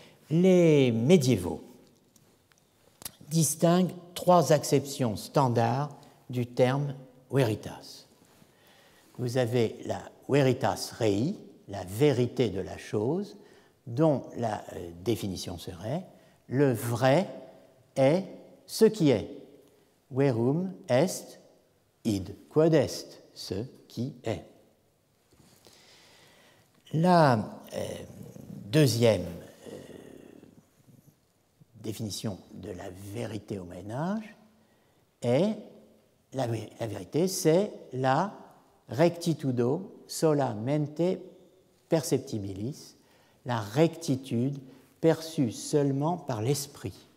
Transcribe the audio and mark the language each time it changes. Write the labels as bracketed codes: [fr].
[fr] Les médiévaux distinguent trois acceptions standards du terme veritas. Vous avez la veritas rei, la vérité de la chose, dont la définition serait « le vrai est ce qui est ». [la] Verum est id quod est, [fr] ce qui est. La deuxième définition de la vérité au Moyen Âge est la vérité, c'est la [la] rectitudo sola mente perceptibilis, [fr] la rectitude perçue seulement par l'esprit.